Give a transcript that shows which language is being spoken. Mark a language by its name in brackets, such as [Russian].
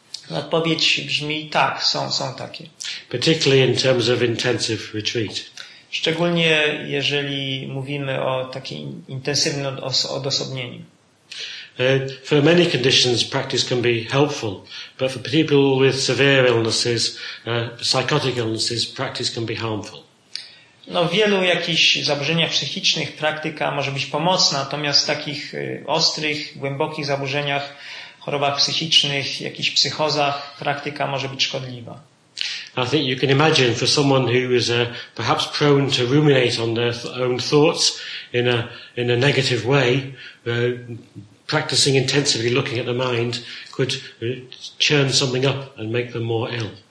[Polish] Odpowiedź brzmi tak, są takie. [English] Particularly in terms of intensive retreat. [Polish] Szczególnie jeżeli mówimy o takim intensywnym odosobnieniu. [English] For many conditions, practice can be helpful, but for people with severe illnesses, psychotic illnesses, practice can be harmful. [Polish] No, w wielu jakichś zaburzeniach psychicznych praktyka może być pomocna, natomiast w takich ostrych, głębokich zaburzeniach, chorobach psychicznych, jakichś psychozach, praktyka może być szkodliwa. [English] I think you can imagine for someone who is perhaps prone to ruminate on their own thoughts in a negative way, practicing intensively looking at the mind could churn something up and make them more ill.